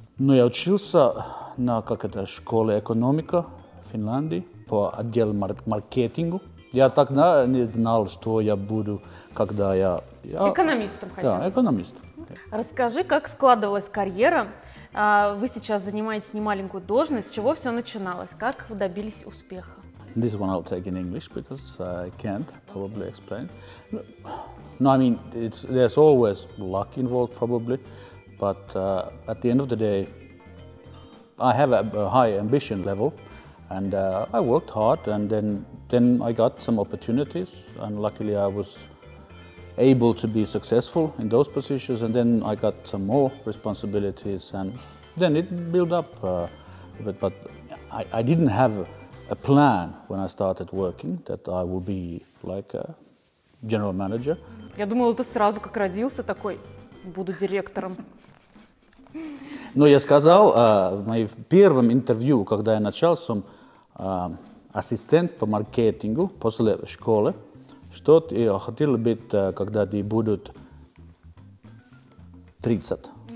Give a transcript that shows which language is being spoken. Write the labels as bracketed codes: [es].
[ru] Ну, я учился на, как это, школе экономика в Финляндии по отделу маркетингу. Я тогда не знал, что я буду, когда я... Экономистом хотел. Да, экономистом. Расскажи, как складывалась карьера. Вы сейчас занимаете немаленькую должность. С чего все начиналось? Как вы добились успеха? [en] This one I'll take in English because I can't probably explain. No, I mean, there's always luck involved probably, but at the end of the day, I have a high ambition level and I worked hard and then I got some opportunities and luckily I was able to be successful in those positions and then I got some more responsibilities and then it built up a bit, but I didn't have a plan when I started working that I will be like a general manager. [ru] Я думала, ты сразу как родился такой, буду директором. Но я сказал в моем первом интервью, когда я начал с ассистент по маркетингу после школы, что ты хотел быть, когда ты будут 30.